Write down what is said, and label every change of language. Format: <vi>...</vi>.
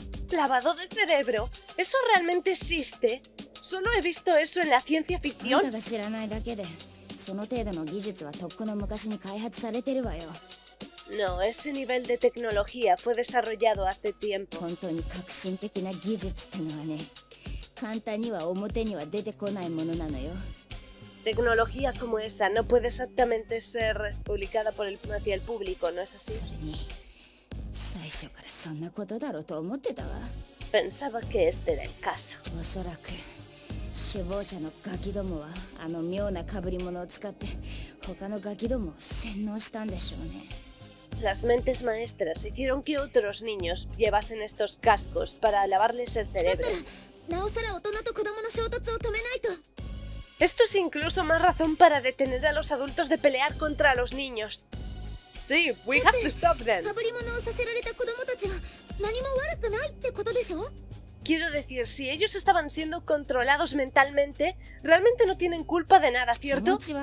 <es>¿Lavado de cerebro? ¿Eso realmente existe? Solo he visto eso en la ciencia ficción. No sabes nada de eso.</es> <ja>その程度の技術はとっくの昔に開発されてるわよ.</ja> <es>No, ese nivel de tecnología fue desarrollado hace tiempo.</es> <ja>本当に革新的な技術ってのはね, 簡単には表には出てこないものなのよ.</ja> <es>Tecnología como esa no puede exactamente ser publicada por el, hacia el público, ¿no es así?</es> <ja>それに最初からそんなことだろうと思ってたわ.</ja> <es>Pensaba que este era el caso.</es> <ja>おそらく 首謀者のガキどもはあの妙な被り物を使って他のガキどもを洗脳したんでしょうね.</ja> <es>Las mentes maestras hicieron que otros niños llevasen estos cascos para lavarles el cerebro.</es> <ja>だったら、なおさら大人と子供の衝突を止めないと.</ja> <es>Esto es incluso más razón para detener a los adultos de pelear contra los niños. Sí,</es> <en>we have to stop them.</en> <ja>だって、被り物をさせられた子供たちは何も悪くないってことでしょ.</ja> <es>Quiero decir, si ellos estaban siendo controlados mentalmente, realmente no tienen culpa de nada, ¿cierto?</es>